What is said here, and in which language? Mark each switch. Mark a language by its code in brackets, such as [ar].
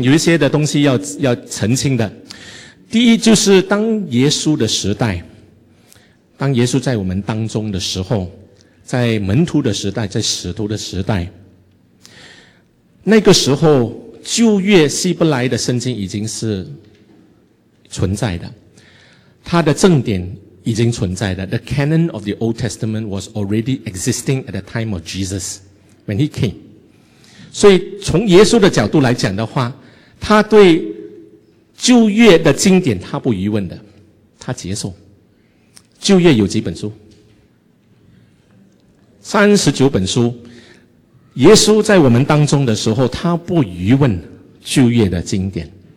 [zh] 有一些的东西要澄清的。第一，就是当耶稣的时代，当耶稣在我们当中的时候，在门徒的时代，在使徒的时代，那个时候旧约希伯来的圣经已经是存在的，他的正典已经存在的。 [en] The canon of the Old Testament was already existing at the time of Jesus when he came. [zh] 所以从耶稣的角度来讲的话，他对旧约的经典他不疑问的，他接受。旧约有几本书？ 39本书。耶稣在我们当中的时候，他不疑问旧约的经典。